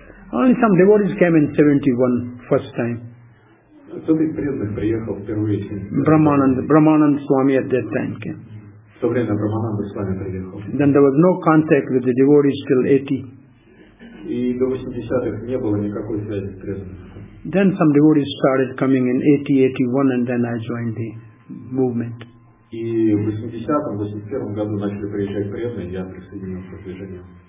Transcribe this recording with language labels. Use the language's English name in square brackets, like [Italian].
[English] Only some devotees came in 71 first time. Brahmanand Swami at that time came. Then there was no contact with the devotees till 80. [Russian] И до 80-х не было никакой связи с преданностью. [English] Then some devotees started coming in 80, 81, and then I joined the movement. [Russian] И в 80-м, 81-м году начали приезжать преданные, я присоединился к движению.